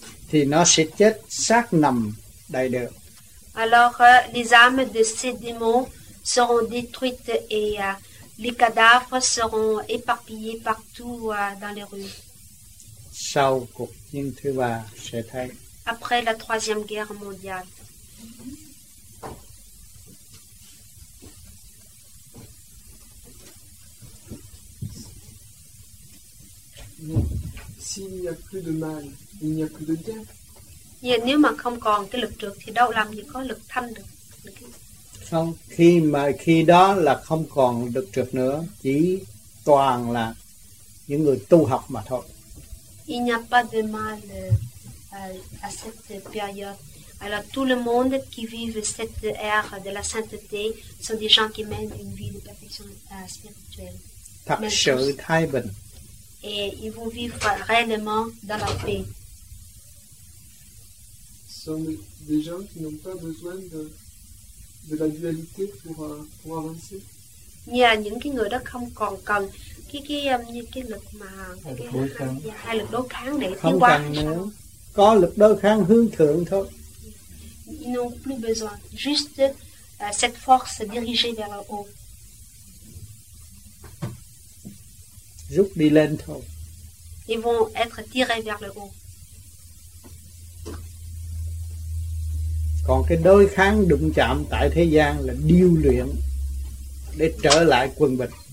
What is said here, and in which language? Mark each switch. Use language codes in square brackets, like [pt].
[vi] Thì nó sẽ chết xác nằm đầy đường. [fr] Alors les âmes de ces démons seront détruites et les cadavres seront éparpillés partout dans les rues. [vi] Sau cuộc chiến thứ ba sẽ thấy. [fr] Après la troisième guerre mondiale. S'il n'y a plus de mal, il n'y a plus de guerre. [vi] Yeah, nếu mà không còn cái lực trượt thì đâu làm gì có lực thanh được. Không, khi mà khi đó là không còn được trượt nữa, chỉ toàn là những người tu học mà thôi. [fr] Il n'y a pas de mal à cette période. Alors tout le monde qui vive cette ère de la sainteté sont des gens qui mènent une vie de perfection spirituelle. [vi] Thật sự thái bình. [fr] Et ils vont vivre réellement dans la paix. Ce sont des gens qui n'ont pas besoin de la dualité pour avancer. Il y a [vi] những cái người đó không còn cần cái lực mà hai lực đối kháng để không cần nữa. Có lực đối kháng hướng thượng thôi. [fr] Ils n'ont plus besoin, juste cette force dirigée vers le haut. [vi] Rút đi lên thôi. [fr] Ils vont être tirés vers le haut. [vi] Còn cái đối kháng đụng chạm tại thế gian là điêu luyện để trở lại quân bình.